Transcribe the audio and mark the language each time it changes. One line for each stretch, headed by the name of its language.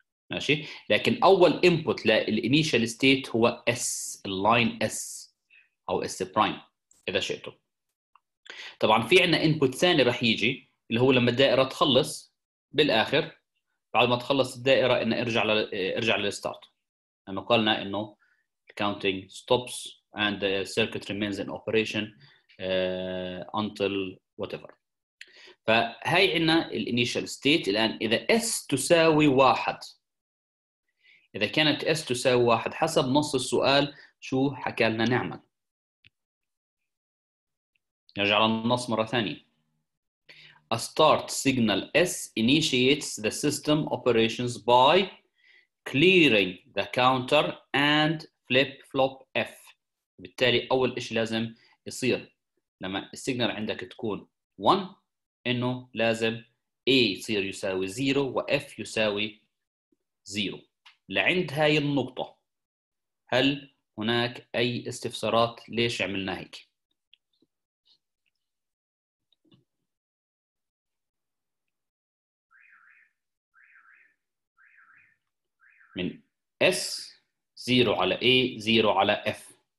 Arabic: ماشي؟ لكن أول input للinitial state هو S، line S أو S prime إذا شئتم. طبعا في عنا input ثاني راح يجي اللي هو لما الدائرة تخلص بالآخر، بعد ما تخلص الدائرة إنه ارجع للstart. لما قلنا إنه
English: counting stops and the circuit remains in operation until whatever.
Arabic: فهي عنا الـ initial state. الآن إذا S تساوي واحد، إذا كانت S تساوي واحد حسب نص السؤال شو حكالنا نعمل؟ نرجع للنص مرة ثانية.
English: A start signal S initiates the system operations by clearing the counter and flip-flop F.
Arabic: بالتالي أول إشي لازم يصير لما السيجنال عندك تكون 1 إنه لازم A يصير يساوي 0 و F يساوي 0. لعند هاي النقطة هل هناك أي استفسارات ليش عملنا هيك؟ من S 0 على A 0 على F.